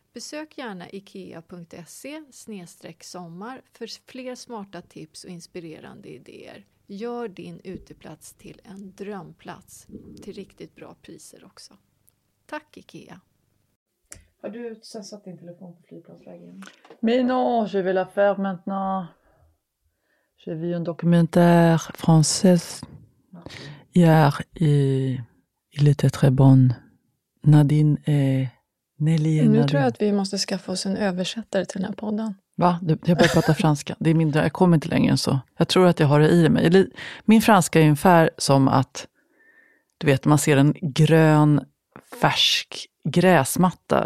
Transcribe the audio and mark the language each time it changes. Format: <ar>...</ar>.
<sv>Besök gärna ikea.se/sommar för fler smarta tips och inspirerande idéer. Gör din uteplats till en drömplats till riktigt bra priser också. Tack IKEA. Har du satt din telefon på flygplansvägen?</sv> <fr>Mais non, je vais la faire maintenant. J'ai vu un documentaire français hier et il était très bon. Nadine et Nelly.</fr> <sv>Nu Nadine. Tror jag att vi måste skaffa oss en översättare till den här podden. Va? Jag börjar prata franska. Det är mindre, jag kommer inte längre än så. Jag tror att jag har det i mig. Min franska är ungefär som att, du vet, man ser en grön, färsk gräsmatta.</sv>